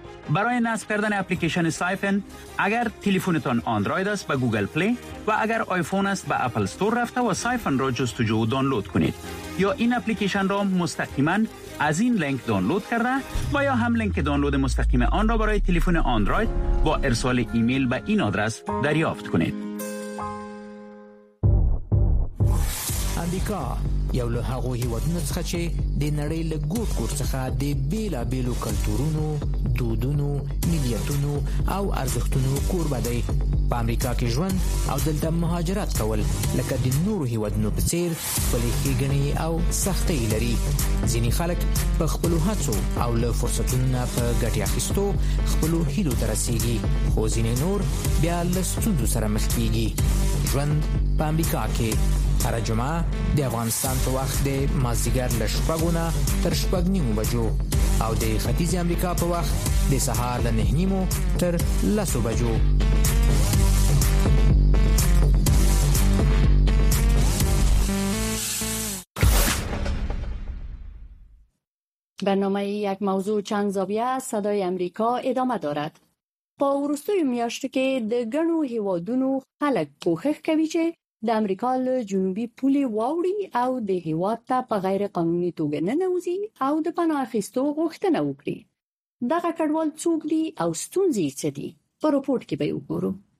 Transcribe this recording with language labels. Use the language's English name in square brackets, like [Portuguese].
[Persian] برای نصب کردن اپلیکیشن سایفن اگر تلفنتان اندروید است به گوگل پلی و اگر آیفون است به اپل استور رفته و سایفن را جستجو و دانلود کنید یا این اپلیکیشن را مستقیما از این لینک دانلود کرده و یا هم لینک دانلود مستقیم آن را برای تلفن اندروید با ارسال ایمیل به این آدرس دریافت کنید. [Pashto] امریکا یو له هغو هیوادونو څخه چې د نړۍ له ګوټ ګوټ څخه د بیلابیلو کلتورونو، دودونو، ملیتونو او ارزښتونو کوربه دی. په امریکا کې ژوند او دلته مهاجرت کول لکه د نورو هیوادونو په څیر خپلې ښېګڼې او سختۍ لري. ځینې خلک په خپلو هڅو او له فرصتونو نه په ګټې اخیستو خپلو هیلو ته رسیږي، خو ځینې نور بیا له ستونزو سره مخ کیږي. ژوند په امریکا کې هر جمعه د افغانستان په وخت د مازدیګر له شپږونه تر شپږ نیمو بجو او د ختیځې امریکا په وخت د سهار له نه نیمو تر لسو بجو. [Persian] برنامه یک موضوع چند زاویه از صدای امریکا ادامه دارد. [Pashto] پا وروستوی میاشته که د ګڼو هیوادونو خلک کوښښ کوي چې د امریکا له جنوبی پولی واوری او د هیواد ته په غیر قانونی توګه ننوزی او د پناه اخیستو غوښتنه وکړي. دغه کډوال څوک دي او ستونزې څه دي؟ په رپورټ کې به یې وګورو.